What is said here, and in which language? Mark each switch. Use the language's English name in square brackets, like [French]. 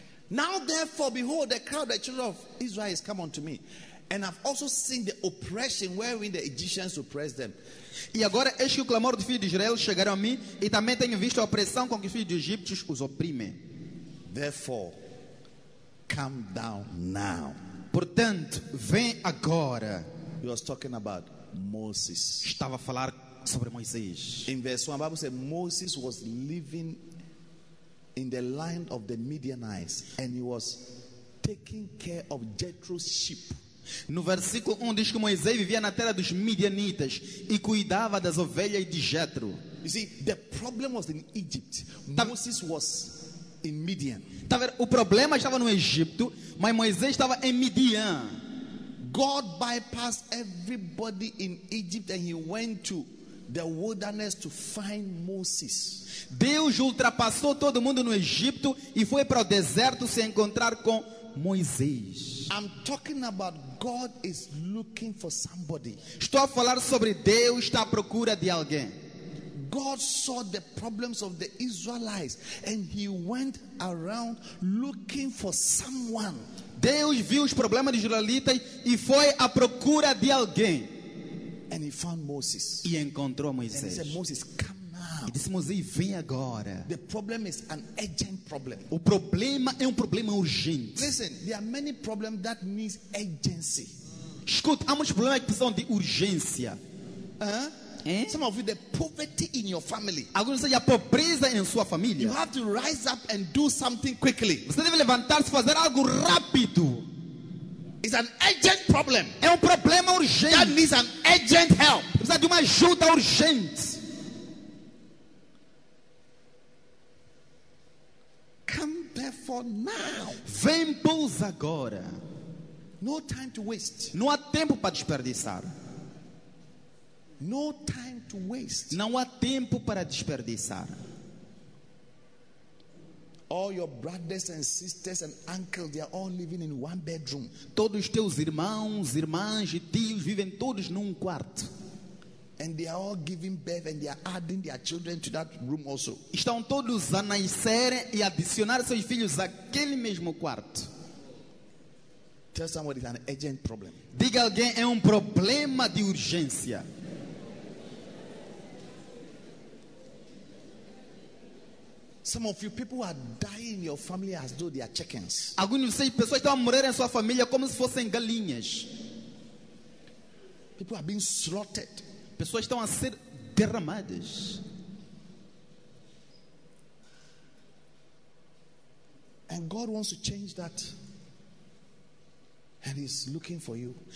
[English] Now therefore behold the crowd the children of Israel has come unto me. And I've also seen the oppression wherein the Egyptians oppressed them. [Portuguese] E agora eis que o clamor dos filhos de Israel chegaram a mim, e também tenho visto a opressão com que os filhos dos egípcios os oprimem. [English] Therefore, come down now. [Portuguese] Portanto, vem agora. [English] He was talking about Moses. [Portuguese] Estava a falar sobre Moisés. [English] In verse 1, the Bible says Moses was living in the land of the Midianites, and he was taking care of Jethro's sheep. [Portuguese] No versículo 1 diz que Moisés vivia na terra dos Midianitas e cuidava das ovelhas de Jetro. [English] You see, the problem was in Egypt. Moses was in Midian. [Portuguese] Tá vendo? O problema estava no Egito, mas Moisés estava em Midian. [English] God bypassed everybody in Egypt and he went to the wilderness to find Moses. [Portuguese] Deus ultrapassou todo mundo no Egito e foi para o deserto se encontrar com Moisés. [English] I'm talking about God is looking for somebody. [Portuguese] Estou a falar sobre Deus está à procura de alguém. [English] God saw the problems of the Israelites and he went around looking for someone. [Portuguese] Deus viu os problemas dos israelitas e foi à procura de alguém. [English] And he found Moses. [Portuguese] E encontrou Moisés. [English] And he said, Moses, come now. [Portuguese] E disse, Moisés, vem agora. [English] The problem is an urgent problem. [Portuguese] O problema é um problema urgente. [English] Listen, there are many problems that need urgency. [Portuguese] Escuta, há muitos problemas que precisam de urgência. [English] Some of you, the poverty in your family. [Portuguese] Alguns dizem, a pobreza em sua família. [English] You have to rise up and do something quickly. [Portuguese] Você deve levantar-se e fazer algo rápido. [English] It's an urgent problem. [Portuguese] É problema urgente. [English] That needs an urgent help. [Portuguese] Precisa de uma ajuda urgente. [English] Come therefore now. [Portuguese] Vem pois agora. [English] No time to waste. [Portuguese] Não há tempo para desperdiçar. [English] No time to waste. [Portuguese] Não há tempo para desperdiçar. [English] All your brothers and sisters and uncles, they are all living in one bedroom. [Portuguese] Todos teus irmãos, irmãs e tios vivem todos num quarto. [English] And they are all giving birth and they are adding their children to that room also. [Portuguese] Estão todos a nascer e adicionar seus filhos àquele mesmo quarto. [English] Tell somebody it's an urgent problem. [Portuguese] Diga alguém, é problema de urgência. [English] Some of you people are dying in your family as though they are chickens. [Portuguese] Alguns de vocês pessoas estão a morrer em sua família como se fossem galinhas. [English] People are being slaughtered. [Portuguese] Pessoas estão a ser derramadas. [English] And God wants to change that. And he's looking for you.